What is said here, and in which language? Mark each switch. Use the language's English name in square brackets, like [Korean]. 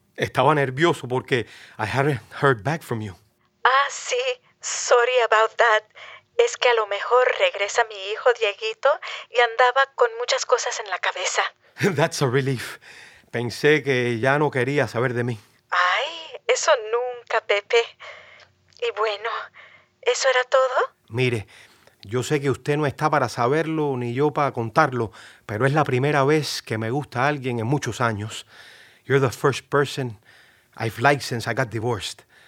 [Spanish] Estaba nervioso porque [English] I hadn't heard back from you. Ah, sí. Sorry about that. [Spanish] Es que a lo mejor regresa mi hijo Dieguito y andaba con muchas cosas en la cabeza. [English] That's a relief. [Spanish] Pensé que ya no quería saber de mí. Ay, eso nunca, Pepe. Y bueno, ¿eso era todo? Mire... Yo sé que usted no está para saberlo, ni yo para contarlo, pero es la primera vez que me gusta a alguien en muchos años. [English] You're the first person I've liked since I got divorced.